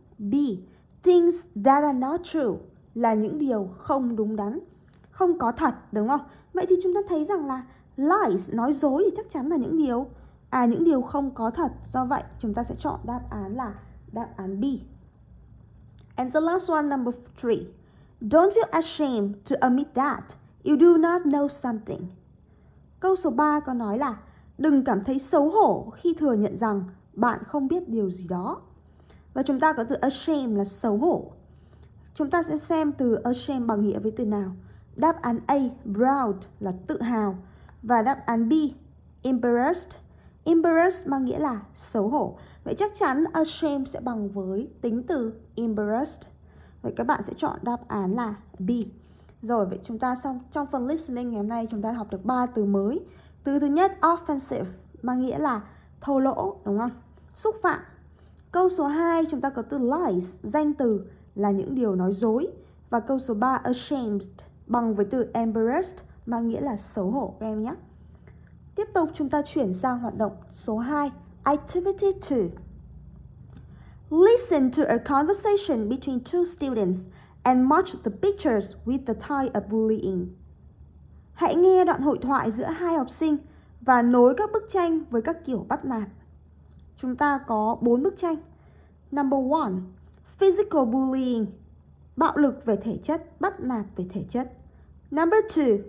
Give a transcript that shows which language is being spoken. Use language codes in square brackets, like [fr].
[vi] B, [en] things that are not true [vi] là những điều không đúng đắn, không có thật, đúng không? Vậy thì chúng ta thấy rằng là lies, nói dối thì chắc chắn là những điều không có thật. Do vậy chúng ta sẽ chọn đáp án là đáp án B. [en] And the last one, number 3. Don't feel ashamed to admit that you do not know something. [vi] Câu số 3 có nói là đừng cảm thấy xấu hổ khi thừa nhận rằng bạn không biết điều gì đó. Và chúng ta có từ ashamed là xấu hổ. Chúng ta sẽ xem từ ashamed bằng nghĩa với từ nào. Đáp án A, proud là tự hào. Và đáp án B, embarrassed. Embarrassed mang nghĩa là xấu hổ. Vậy chắc chắn ashamed sẽ bằng với tính từ embarrassed. Vậy các bạn sẽ chọn đáp án là B. Rồi, vậy chúng ta xong trong phần listening ngày hôm nay chúng ta học được 3 từ mới. Từ thứ nhất, offensive, mang nghĩa là thô lỗ, đúng không? Xúc phạm. Câu số 2, chúng ta có từ lies, danh từ là những điều nói dối. Và câu số 3, ashamed, bằng với từ embarrassed, mang nghĩa là xấu hổ, các em nhé. Tiếp tục chúng ta chuyển sang hoạt động số 2, activity 2. [en] Listen to a conversation between two students and match the pictures with the type of bullying. [vi] Hãy nghe đoạn hội thoại giữa hai học sinh và nối các bức tranh với các kiểu bắt nạt. Chúng ta có 4 bức tranh. [en] Number 1. Physical bullying. [vi] Bạo lực về thể chất, bắt nạt về thể chất. [en] Number 2.